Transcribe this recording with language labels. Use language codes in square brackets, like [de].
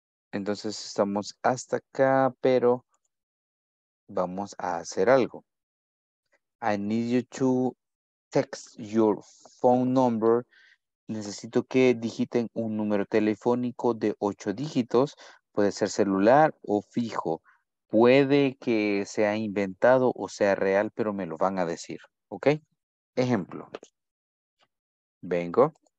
[es] Entonces estamos hasta acá, pero vamos a hacer algo. [en] I need you to text your phone number. [es] Necesito que digiten un número telefónico de 8 dígitos. Puede ser celular o fijo. Puede que sea inventado o sea real, pero me lo van a decir. ¿Ok? Ejemplo. Vengo.